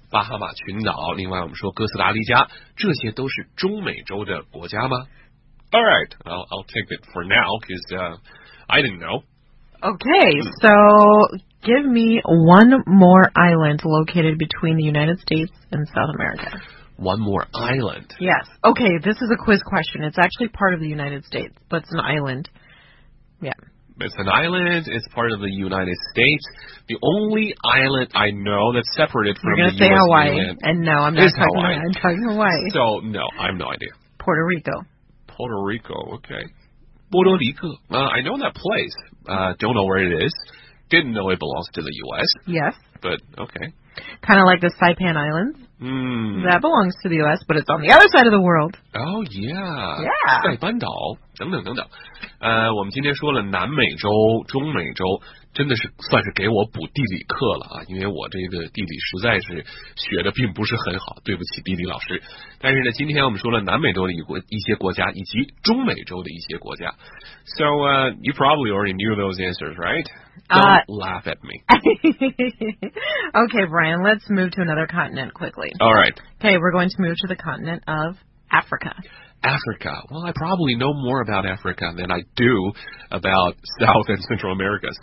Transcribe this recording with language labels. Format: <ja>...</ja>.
<zh>Okay, 巴哈马群岛,另外我们说哥斯达黎加,这些都是中美洲的国家吗?</zh> <en>All right, I'll take it for now, because I didn't know. Okay, so give me one more island located between the United States and South America. One more island. Yes. Okay, this is a quiz question. It's actually part of the United States, but it's an island. Yeah. It's an island. It's part of the United States. The only island I know that's separated from the United States. You're going to say Hawaii. And no, I'm not talking Hawaii. I'm talking Hawaii. So, no, I have no idea. Puerto Rico. Puerto Rico, okay. Puerto Rico. I know that place. Don't know where it is. didn't know it belongs to the U.S. Yes. But, okay. Kind of like the Saipan Islands. Mm. That belongs to the U.S., but it's on the other side of the world. Oh, yeah. Yeah.</en> <zh>塞班岛, 等等。我们今天说了南美洲、中美洲，真的是算是给我补地理课了啊，因为我这个地理实在是学的并不是很好，对不起地理老师。但是呢，今天我们说了南美洲的一些国家，以及中美洲的一些国家。</zh> <en>So, you probably already knew those answers, right? Don't laugh at me. Okay, Brian, let's move to another continent quickly. All right. Okay, we're going to move to the continent of Africa. Africa. Well, I probably know more about Africa than I do about South and Central America.</en>